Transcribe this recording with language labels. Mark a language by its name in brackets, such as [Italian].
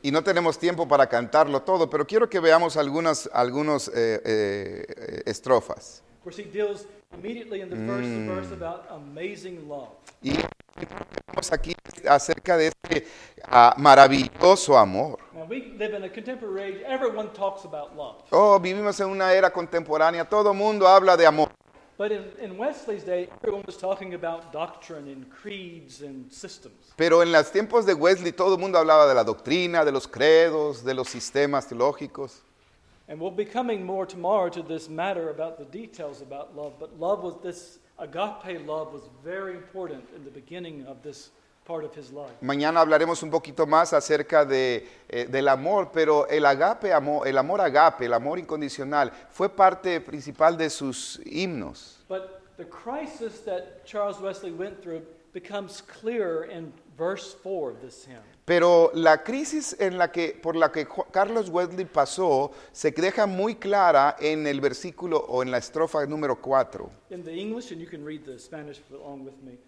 [Spanish] Y no tenemos tiempo para cantarlo todo, pero quiero que veamos algunos estrofas. [English] Where he deals immediately in the first verse about amazing love. [Spanish] Y vamos aquí acerca de este maravilloso amor. [English] Now we live in a contemporary age, everyone talks about love. [Spanish] Oh, vivimos en una era contemporánea, todo mundo habla de amor. [English] But in Wesley's day, everyone was talking about doctrine and creeds and systems. [Spanish] Pero en los tiempos de Wesley, todo el mundo hablaba de la doctrina, de los credos, de los sistemas teológicos. [English] And we'll be coming more tomorrow to this matter about the details about love. But love was this agape love was very important in the beginning of this part of his life. [Spanish] Mañana hablaremos un poquito más acerca de del amor, pero el amor agape, el amor incondicional, fue parte principal de sus himnos. [English] But the crisis that Charles Wesley went through becomes clear in verse 4 of this hymn. [Spanish] Pero la crisis por la que Carlos Wesley pasó se deja muy clara en el versículo o en la estrofa número 4. [English] In the English, and you can read the Spanish along with me.